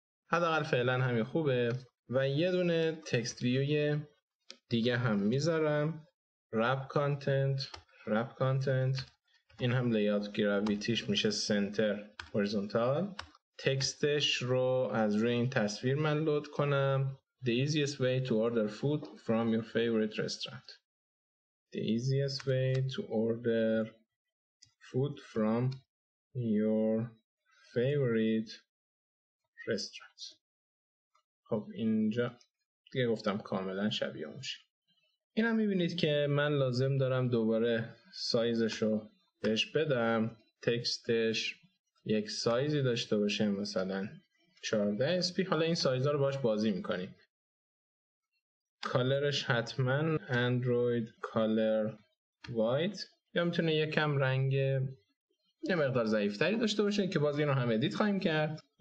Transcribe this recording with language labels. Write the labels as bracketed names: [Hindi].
[Persian] حداقل فعلا همین خوبه. و یه دونه text view دیگه هم میذارم. wrap content. این هم layout gravityش میشه center horizontal. تکستش رو از روی این تصویر من لود کنم. [English] The easiest way to order food from your favorite restaurant. The easiest way to order food from your favorite restaurant. [Persian] خب اینجا دیگه گفتم کاملا شبیه میشه. این هم میبینید که من لازم دارم دوباره سایزش رو بهش بدم. تکستش یک سایزی داشته باشه مثلا 14 اسپی. حالا این سایز ها رو باش بازی میکنیم. کالرش حتما اندروید کالر وایت یا میتونه یکم رنگ یه مقدار ضعیفتری داشته باشه که باز این رو هم ادیت خواهیم کرد.